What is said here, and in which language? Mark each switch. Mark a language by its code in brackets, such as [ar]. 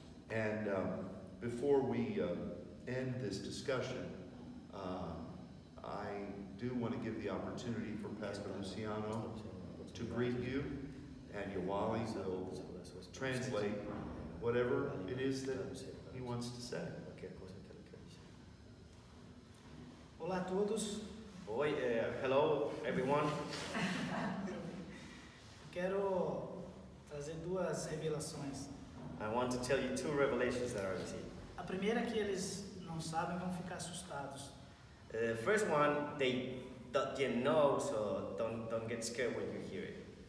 [en] And before we end this discussion, I do want to give the opportunity for Pastor Luciano to greet you, and Yoali will translate whatever it is that he wants to say. [pt] Olá a todos. [en] Oi, hello everyone. [pt] Quero trazer duas revelações. [en] I want to tell you two revelations that are here. [pt] A primeira que eles não sabem vão ficar assustados. [en] The first one they didn't know, so don't get scared when you hear it.